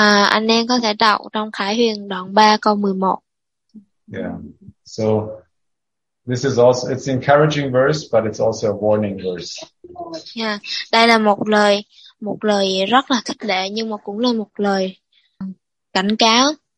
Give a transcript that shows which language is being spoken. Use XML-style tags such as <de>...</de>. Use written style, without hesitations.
<vi>Anh em có thể đọc trong Khải Huyền đoạn 3 câu 11.</vi> <en>Yeah. So this is also, it's an encouraging verse, but it's also a warning verse.</en> <vi>Yeah, đây là một lời rất là khích lệ, nhưng mà cũng là một lời cảnh cáo.</vi>